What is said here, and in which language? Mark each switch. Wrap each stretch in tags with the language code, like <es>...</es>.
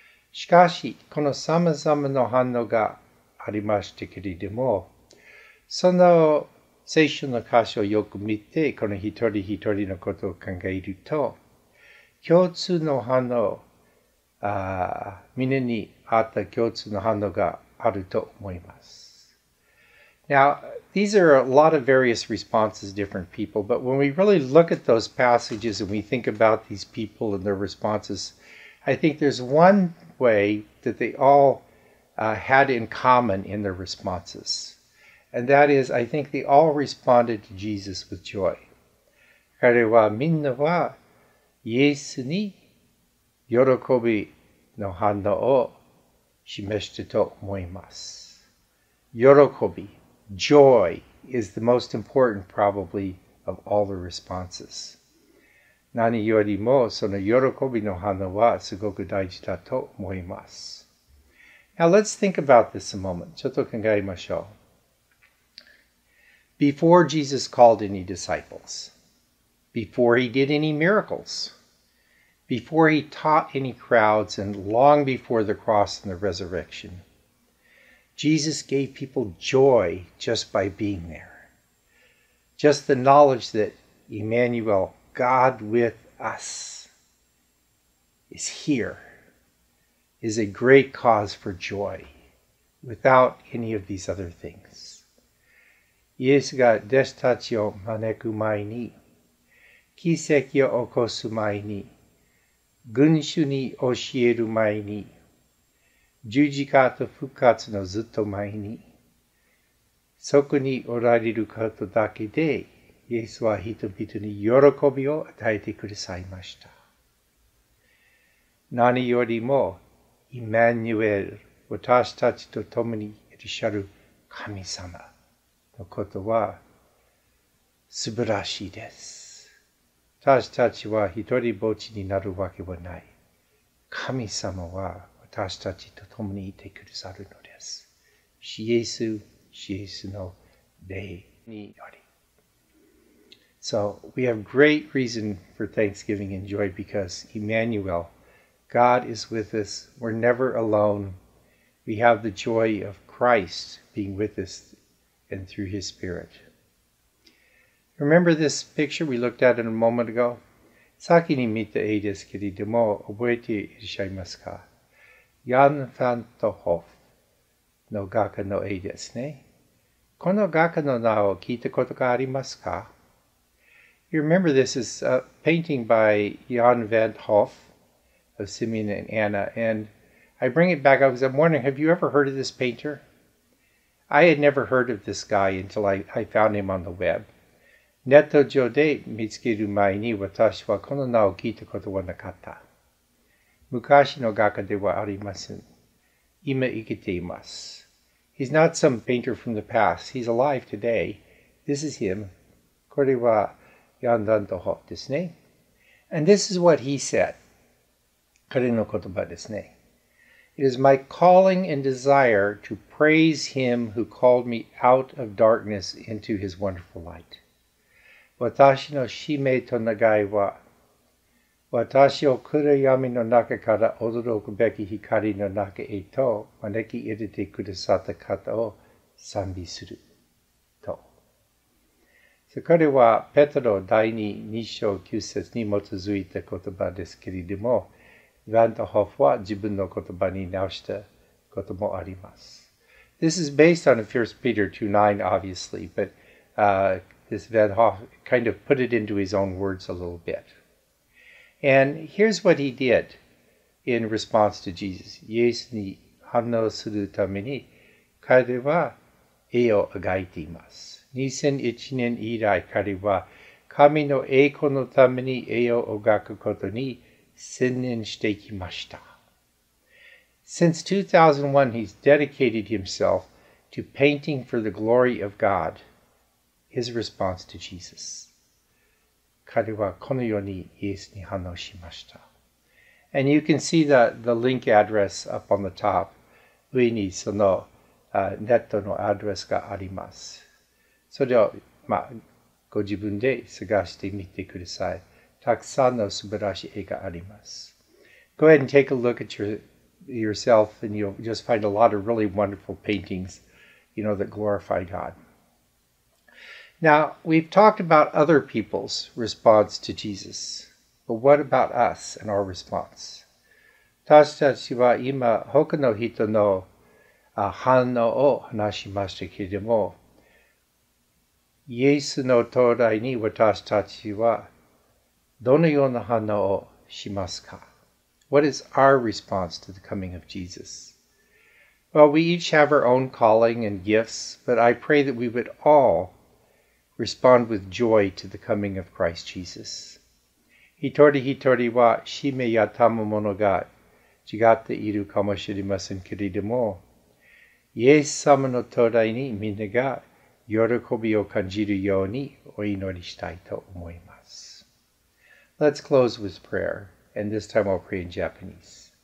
<ja>しかし、この様々な反応がありましたけれども、その聖書の箇所をよく見て、この一人一人のことを考えると、共通の反応、皆にあった共通の反応があると思います。</ja> <en>Now, these are a lot of various responses different people, but when we really look at those passages and we think about these people and their responses, I think there's one way that they all had in common in their responses. And that is, I think they all responded to Jesus with joy.</en> <ja>彼はみんなはイエスに喜びの反応を示したと思います。喜び、</ja> <en>joy is the most important probably of all the responses.</en> <ja>何よりもその喜びの反応はすごく大事だと思います。</ja> <en>Now let's think about this a moment.</en> <ja>ちょっと考えましょう。</ja> <en>Before Jesus called any disciples, before he did any miracles,Before he taught any crowds and long before the cross and the resurrection, Jesus gave people joy just by being there. Just the knowledge that Emmanuel, God with us, is here, is a great cause for joy without any of these other things.</en> <ja>イエスが弟子たちを招く前に、奇跡を起こす前に、群衆に教える前に、十字架と復活のずっと前に、そこにおられることだけで、イエスは人々に喜びを与えてくださいました。何よりも、イマニュエル、私たちと共にいらっしゃる神様のことは、素晴らしいです。私たちは一人ぼっちになるわけはない。神様は私たちと共にいてくださるのです。シエス、シエスの霊により。</ja> <en>So, we have great reason for thanksgiving and joy because Emmanuel, God is with us. We're never alone. We have the joy of Christ being with us and through His Spirit. Remember this picture we looked at in a moment ago?</en> <ja>先に見た絵ですけれども、覚えていらっしゃいますか？ヤン・ファントホフの画家の絵ですね。この画家の名を聞いたことがありますか？</ja> <en>You remember this is a painting by Jan van 't Hoff of Simeon and Anna, and I bring it back up because I'm wondering, have you ever heard of this painter? I had never heard of this guy until I found him on the web.</en> <ja>ネット上で見つける前に私はこの名を聞いたことはなかった。昔の画家ではありません。今生きています。</ja> <en>He's not some painter from the past. He's alive today. This is him.</en> <ja>これはヤン・ファント・ホフですね。</ja> <en>And this is what he said.</en> <ja>彼の言葉ですね。</ja> <en>It is my calling and desire to praise him who called me out of darkness into his wonderful light.</en> <ja>私の使命と願いは、私を暗闇の中から驚くべき光の中へと招き入れてくださった方を賛美すると。そこではペトロ第二、二章九節に基づいた言葉ですけれども、ヴァント・ホフは自分の言葉に直したこともあります。</ja> <en>This is based on 1 Peter 2:9, obviously, but this van 't Hoff kind of put it into his own words a little bit. And here's what he did in response to Jesus.</en> <ja>イエスに反応するために彼は絵を描いています。 2001年以来彼は神の栄光のために絵を描くことに専念してきました。</ja> <en>Since 2001, he's dedicated himself to painting for the glory of God. His response to Jesus.</en> <ja>彼はこのようにイエスに反応しました。</ja> <en>And you can see the link address up on the top.</en> <ja>上にそのネットのアドレスがあります。それを、ご自分で探してみてください。たくさんの素晴らしい絵があります。</ja> <en>Go ahead and take a look at yourself and you'll just find a lot of really wonderful paintings, you know, that glorify God. Now, we've talked about other people's response to Jesus, but what about us and our response?</en> <ja>私たちは今他の人の反応を話しましたけれども、イエスの到来に私たちはどのような反応をしますか?</ja> <en>What is our response to the coming of Jesus? Well, we each have our own calling and gifts, but I pray that we would all respond with joy to the coming of Christ Jesus.</en> <ja>一人一人は使命や賜物が違っているかもしれませんけれども、イエス様の到来にみんなが喜びを感じるようにお祈りしたいと思います。</ja> <en>Let's close with prayer, and this time I'll pray in Japanese.</en>